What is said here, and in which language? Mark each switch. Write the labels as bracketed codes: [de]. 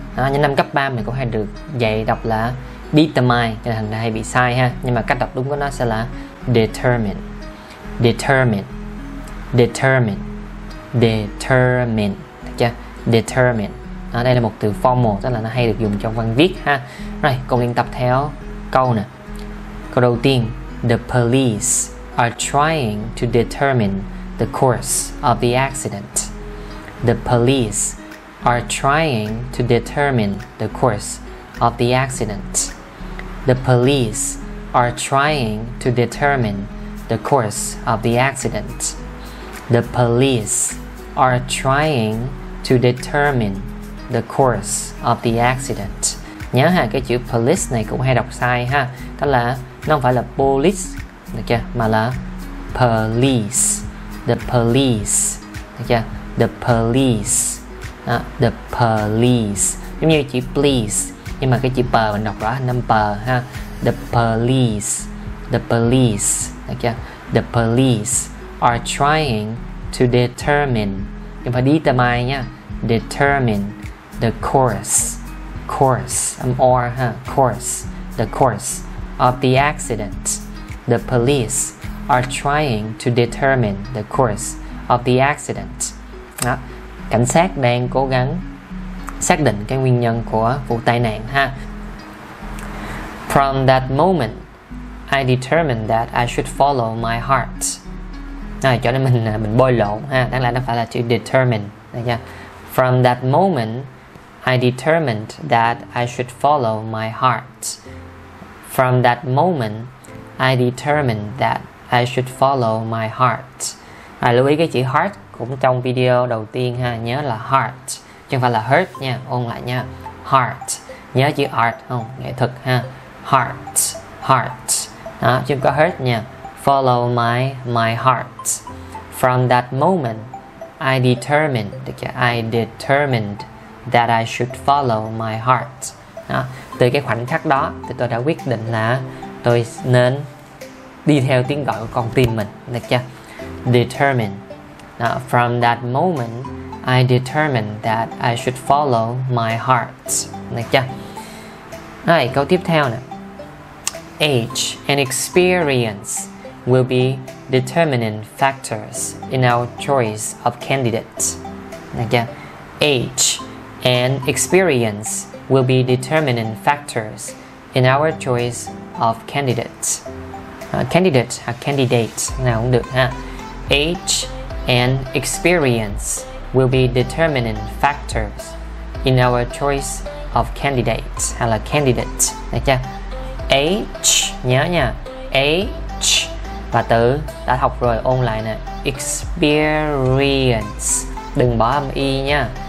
[vi] Đó, những năm cấp 3 mình cũng hay được dạy đọc là determine, thành ra hay bị sai ha, nhưng mà cách đọc đúng của nó sẽ là determine. [en] Determine. Determine. Determine. [vi] Được chưa? [en] Determine. [vi] Đó, đây là một từ formal, tức là nó hay được dùng trong văn viết ha. Rồi, cùng liên tập theo câu nè. Câu đầu tiên, [en] the police are trying to determine the course of the accident. The police are trying to determine the course of the accident. The police are trying to determine the course of the accident. The police are trying to determine the course of the accident. [vi] Nhớ ha, cái chữ police này cũng hay đọc sai ha. Đó là nó không phải là police, được chưa? Mà là police. [en] The police, [vi] được chưa? [en] The police. Đó, the police. [vi] Giống như chữ please, nhưng mà cái chữ p mình đọc rõ hình âm p ha. [en] The police. The police, [vi] được chưa? [en] The police are trying to determine. [vi] Nhưng phải determine nha. [en] Determine the course. Course, or ha, course, the course of the accident. The police are trying to determine the course of the accident. [vi] Đó. Cảnh sát đang cố gắng xác định cái nguyên nhân của vụ tai nạn ha. [en] From that moment, I determined that I should follow my heart. [vi] Này, cho nên mình bôi lộn ha, đáng lẽ nó phải là chữ determine, được chưa? [en] From that moment, I determined that I should follow my heart. From that moment, I determined that I should follow my heart. [vi] À, lưu ý cái chữ heart cũng trong video đầu tiên ha, nhớ là heart, chứ không phải là hurt nha, ôn lại nha. Heart, nhớ chữ art không, nghệ thuật ha. Heart, heart. Đó, chứ không có hurt nha. [en] Follow my heart. From that moment, I determined, [vi] được chưa? [en] I determined that I should follow my heart. [vi] Đó. Từ cái khoảnh khắc đó thì tôi đã quyết định là tôi nên đi theo tiếng gọi của con tim mình, được chưa? [en] Determine. Đó. From that moment, I determined that I should follow my heart. [vi] Được chưa? Rồi, câu tiếp theo nè. [en] Age and experience will be determining factors in our choice of candidate. [vi] Được chưa? [en] Age and experience will be determining factors in our choice of candidate. [vi] Candidate, a candidate, nào cũng được ha. [en] Age and experience will be determining factors in our choice of candidate. [vi] Hay là candidate, được chưa? Age, nhớ nha. Age và từ đã học rồi ôn lại nè. Experience, đừng bỏ âm y nha.